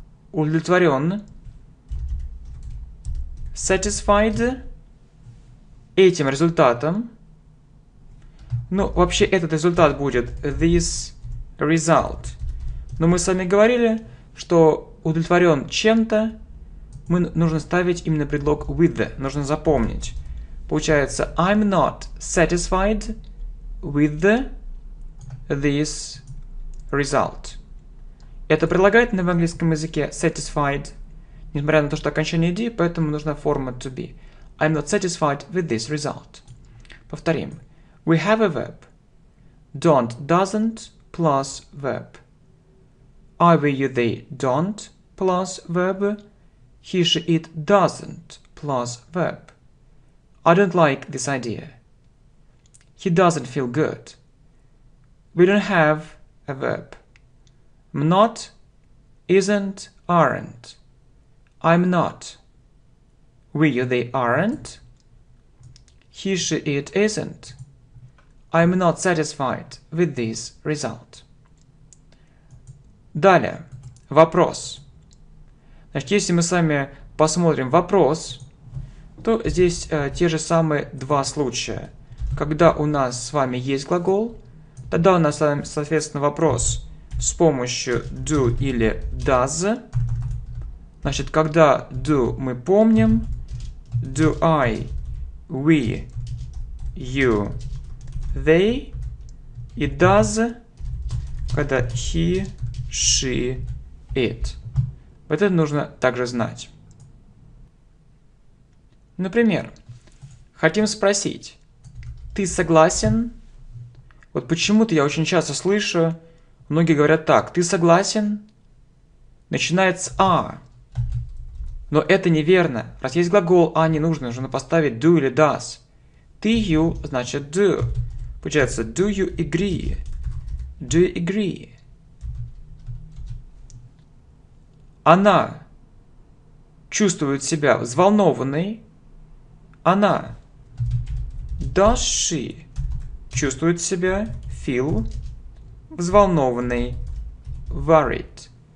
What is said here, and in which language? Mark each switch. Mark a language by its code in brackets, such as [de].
[ru] Удовлетворен, satisfied этим результатом. Ну, вообще, этот результат будет this result. Но мы с вами говорили, что удовлетворен чем-то, мы нужно ставить именно предлог with, нужно запомнить. Получается, [en] I'm not satisfied with this result. [ru] Это прилагательное в английском языке satisfied, несмотря на то, что окончание d, поэтому нужна форма to be. [en] I'm not satisfied with this result. Повторим. We have a verb. Don't, doesn't, plus verb. I, we, you, they, don't, plus verb. He, she, it, doesn't, plus verb. I don't like this idea. He doesn't feel good. We don't have a verb. Not, isn't, aren't. I'm not. We, you, they aren't. He she it isn't. I'm not satisfied with this result. [ru] Далее. Вопрос. Значит, если мы с вами посмотрим вопрос, то здесь те же самые два случая. Когда у нас с вами есть глагол, тогда у нас, соответственно, вопрос с помощью do или does. Значит, когда do мы помним, do I, we, you, they, и does, когда he, she, it. Вот это нужно также знать. Например, хотим спросить, ты согласен? Вот почему-то я очень часто слышу, многие говорят так, ты согласен? Начинает с а. Но это неверно. Раз есть глагол а, не нужно, нужно поставить do или does. Ты, you, значит do. Получается, [en] do you agree? Do you agree? [ru] Она чувствует себя взволнованной. Она. [en] Does she [ru] чувствует себя, [en] feel, [ru] взволнованной, [en] worried.